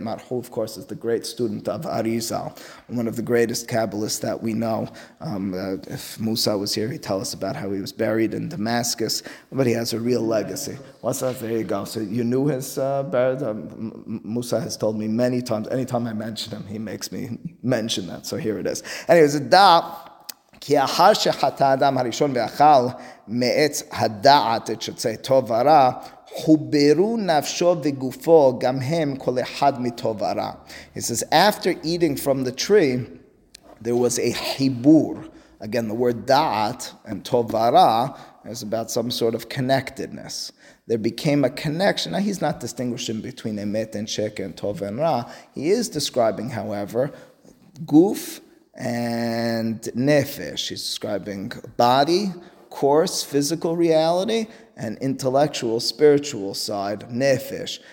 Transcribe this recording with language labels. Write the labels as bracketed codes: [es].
[en] Marhu, of course, is the great student of Arizal, one of the greatest Kabbalists that we know. If Musa was here, he'd tell us about how he was buried in Damascus, but he has a real legacy. What's that? There you go. So you knew his buried? Musa has told me many times. Anytime I mention him, he makes me mention that. So here it is. Anyways, Da. [he] כי אחר שחטא אדם הראשון ואכל מעץ הדעת את שצי טוב ורע, חוברו נפשו וגופו גם הם כל אחד מטוב ורע. [en] He says, after eating from the tree, there was a חיבור. Again, the word דעת and טוב ורע is about some sort of connectedness. There became a connection. Now, he's not distinguishing between emet and sheker and טוב and רע. He is describing, however, גוף, and nefesh, he's describing body, coarse, physical reality, and intellectual, spiritual side, nefesh.